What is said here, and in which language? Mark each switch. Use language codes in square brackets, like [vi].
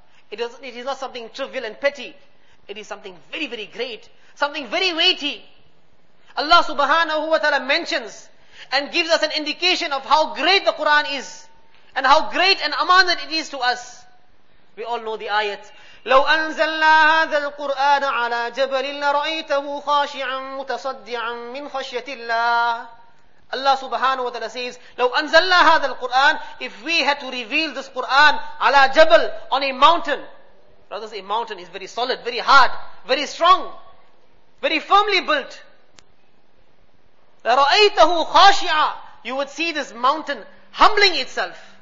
[en] It is not something trivial and petty. It is something very, very great, something very weighty. Allah subhanahu wa ta'ala mentions and gives us an indication of how great the Quran is and how great an amanat it is to us. We all know the ayat. [ar] لو أنزلنا هذا القرآن على جبل لرأيته خاشعا متصدعا من خشية الله. [en] Allah subhanahu wa ta'ala says, [ar] لو أنزلنا هذا القرآن, [en] if we had to reveal this Quran [ar] على جبل, [en] on a mountain. Brothers, a mountain is very solid, very hard, very strong, very firmly built. [ar] لرأيته خاشعا, [en] you would see this mountain humbling itself.